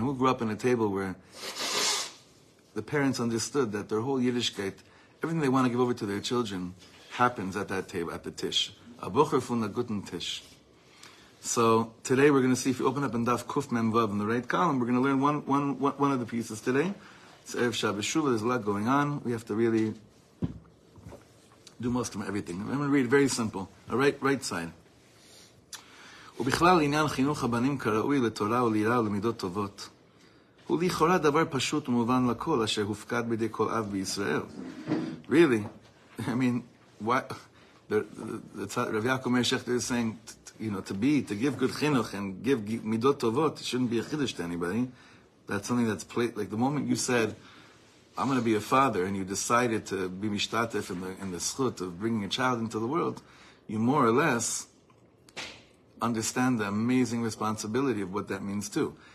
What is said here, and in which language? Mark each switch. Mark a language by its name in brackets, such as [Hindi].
[English] Who grew up in a table where the parents understood that their whole Yiddishkeit, everything they want to give over to their children, happens at that table, at the tish. [Yiddish] A bucher fun a guten tish. [English] So today we're going to see, if you open up in Daf Kuf Mem Vav in the right column, we're going to learn one of the pieces today. It's Erev Shabbos Shuvah. There's a lot going on. We have to really do most of everything. I'm going to read very simple. A right side. [Hebrew] ובכלל עניין חינוך הבנים כראוי לתורה ולירה ולמידות טובות, הוא לכאורה דבר פשוט ומובן לכל אשר הופקד בידי כל אב בישראל. [English] Really, I mean, Rav Yaakov Meir Shechter is saying, you know, to give good chinuch and give midot tovot, it shouldn't be a chiddush to anybody. That's something that's like the moment you said, I'm going to be a father, and you decided to be mishtatef in the schut of bringing a child into the world, you more or less understand the amazing responsibility of what that means too.